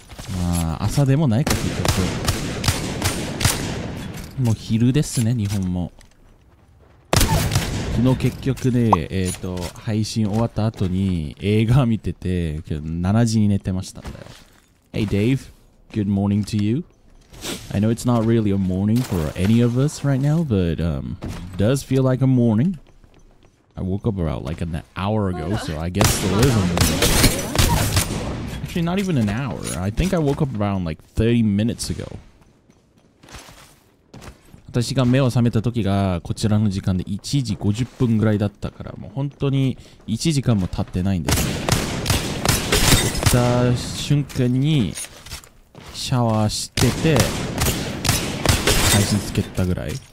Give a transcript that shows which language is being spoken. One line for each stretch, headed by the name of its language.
Japanese: まあ、朝でもないか、結局。もう昼ですね、日本も。昨日結局ね、配信終わった後に映画見てて、7時に寝てましたんだよ。
English: Hey Dave, good morning to you. I know it's not really a morning for any of us right now, but, it does feel like a morning. I woke up about like an hour ago, so I guess it is a morning. Actually, not even an hour. I think I woke up around like 30 minutes ago.
Japanese: 私が目を覚めた時がこちらの時間で1時50分ぐらいだったから、もう本当に1時間も経ってないんですね。起きた瞬間にシャワーしてて、配信つけたぐらい。